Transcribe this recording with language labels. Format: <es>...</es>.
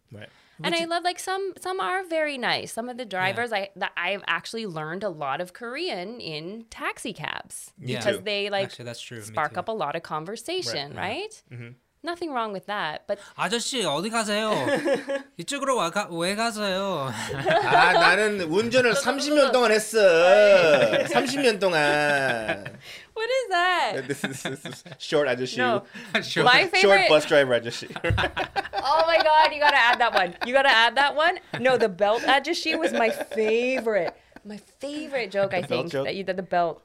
<en>Right. And I love, like, some are very nice. Some of the drivers, I've actually learned a lot of Korean in taxi cabs. Yeah. Because they, like, actually, that's true. Spark up a lot of conversation, right? Mm-hmm. Nothing wrong with that, but</en> <ko>아저씨 어디 가세요? 이쪽으로 왜 가세요? 아 나는 운전을 30년 동안 했어. 30년 동안.</ko> <en>What is that? This is short registry. No, short. My favorite... short bus drive registry. Oh my God, you gotta add that one. You gotta add that one. No, the belt registry was my favorite. My favorite joke, I think. Joke? That you did the belt.</en>